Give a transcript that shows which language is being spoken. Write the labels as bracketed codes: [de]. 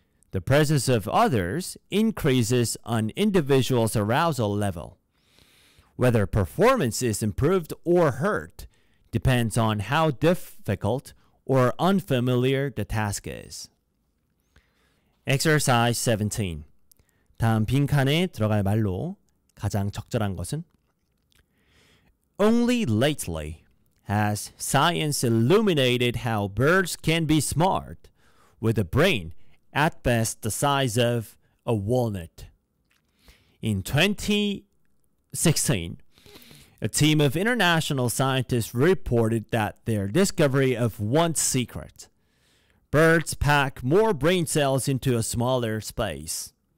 [en] The presence of others increases an individual's arousal level. Whether performance is improved or hurt depends on how difficult or unfamiliar the task is. Exercise 17. [ko] 다음 빈칸에 들어갈 말로 가장 적절한 것은? [en] Only lately has science illuminated how birds can be smart with a brain at best the size of a walnut. In 2016, a team of international scientists reported that their discovery of one secret: birds pack more brain cells into a smaller space.